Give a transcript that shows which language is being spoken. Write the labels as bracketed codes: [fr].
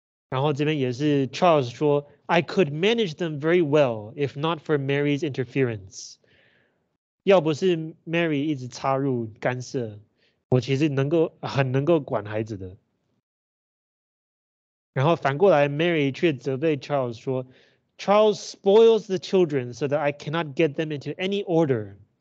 [zh] 然后这边也是 [en] Charles 说，I could manage them very well if not for Mary's interference。 [zh] 要不是 Mary 一直插入干涉，我其实很能够管孩子的。然后反过来，Mary 却责备 Charles 说。 [en] Charles spoils the children so that I cannot get them into any order.